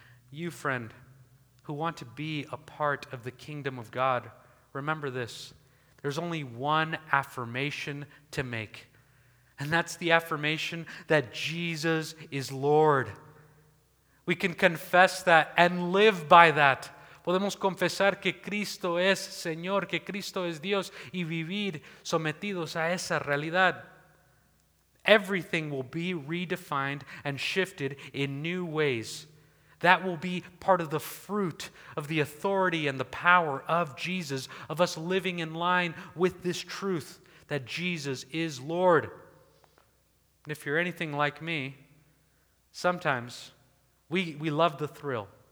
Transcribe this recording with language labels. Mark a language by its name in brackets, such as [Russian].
[English] You, friend, who want to be a part of the kingdom of God, remember this. There's only one affirmation to make. And that's the affirmation that Jesus is Lord. We can confess that and live by that, [Spanish] Podemos confesar que Cristo es Señor, que Cristo es Dios, y vivir sometidos a esa realidad. [English] Everything will be redefined and shifted in new ways. That will be part of the fruit of the authority and the power of Jesus, of us living in line with this truth that Jesus is Lord. And if you're anything like me, sometimes we love the thrill.